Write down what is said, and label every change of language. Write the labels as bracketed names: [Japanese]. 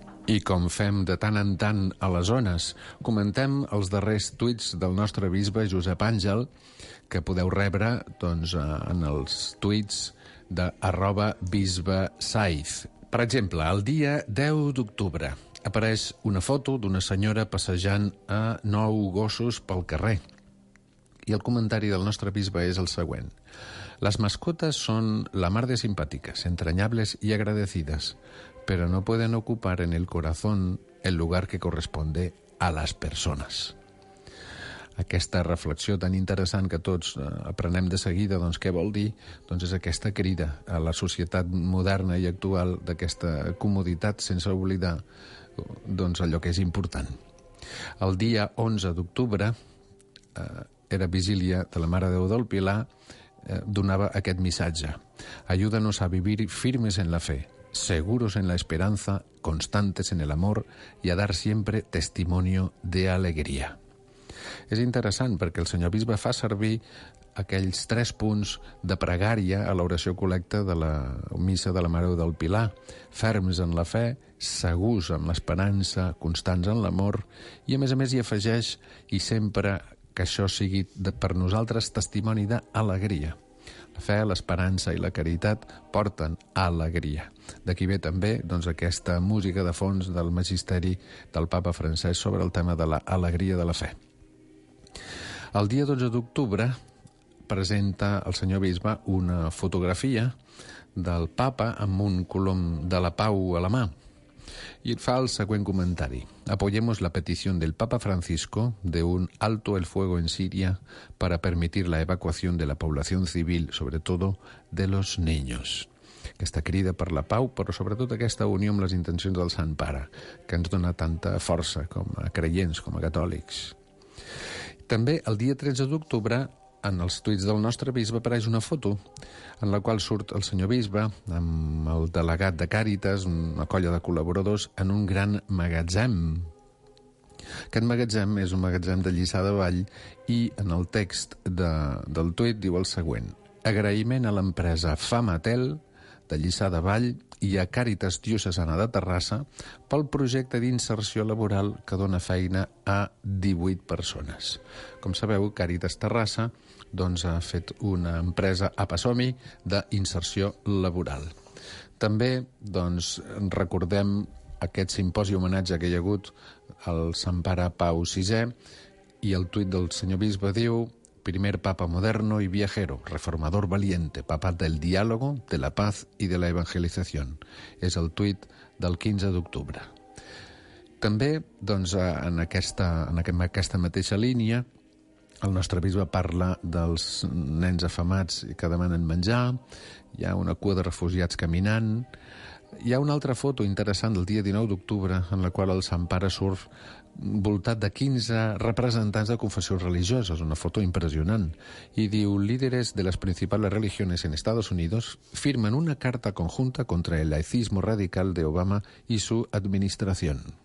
[Catalan] I com fem de tant en tant a les zones, comentem els darrers tuits del nostre bisbe Josep Àngel, que podeu rebre doncs, en els tuits de @bisbesaiz, Per exemple, el dia 10 d'octubre apareix una foto d'una senyora passejant a 9 gossos pel carrer. I el comentari del nostre bisbe és el següent. [Spanish] Las mascotas son la mar de simpáticas, entrañables y agradecidas, pero no pueden ocupar en el corazón el lugar que corresponde a las personas. [Catalan] Aquesta reflexió tan interessant que tots aprenem de seguida, doncs què vol dir? Doncs és aquesta crida a la societat moderna i actual d'aquesta comoditat sense oblidar doncs allò que és important. El dia 11 d'octubre era vigília de la Mare de Déu del Pilar, donava aquest missatge. [Spanish] Ayúdanos a vivir firmes en la fe, seguros en la esperanza, constantes en el amor y a dar siempre testimonio de alegría. [Catalan] És interessant perquè el senyor bisbe fa servir aquells tres punts de pregària a l'oració col·lecta de la missa de la Mare del Pilar. Ferms en la fe, segurs en l'esperança, constants en l'amor, i a més hi afegeix, i sempre que això sigui per nosaltres testimoni d'alegria. La fe, l'esperança i la caritat porten alegria. D'aquí ve també doncs, aquesta música de fons del magisteri del Papa Francesc sobre el tema de l'alegria de la fe. El dia 12 d'octubre presenta el senyor bisbe una fotografia del Papa amb un colom de la pau a la mà. I fa el següent comentari. [Spanish] Apoyemos la petición del Papa Francisco de un alto el fuego en Siria para permitir la evacuación de la población civil, sobretot de los niños. [Catalan] Aquesta crida per la pau, però sobretot aquesta unió amb les intencions del Sant Pare, que ens dona tanta força com a creients, com a catòlics. També el dia 13 d'octubre, en els tuits del nostre bisbe apareix una foto en la qual surt el senyor bisbe amb el delegat de Càritas, una colla de col·laboradors, en un gran magatzem. Aquest magatzem és un magatzem de Lliçà de Vall i en el text del tuit diu el següent. Agraïment a l'empresa Famatel de Lliçà de Vall i a Càritas Diocesana de Terrassa pel projecte d'inserció laboral que dona feina a 18 persones. Com sabeu, Càritas Terrassa doncs, ha fet una empresa a Pasomi d'inserció laboral. També doncs, recordem aquest simposi homenatge que hi ha hagut al Sant Pare Pau VI i el tuit del senyor bisbe diu... [Spanish] Primer papa moderno y viajero, reformador valiente, papa del diálogo, de la paz y de la evangelización. [Catalan] És el tuit del 15 d'octubre. També, doncs, en aquesta mateixa línia, el nostre bisbe parla dels nens afamats que demanen menjar, hi ha una cua de refugiats caminant. Hi ha una altra foto interessant del dia 19 d'octubre en la qual el Sant Pare surt voltat de 15 representants de confessions religioses, una foto impressionant, i diu [Spanish] líderes de las principales religiones en Estados Unidos firman una carta conjunta contra el laicismo radical de Obama y su administración.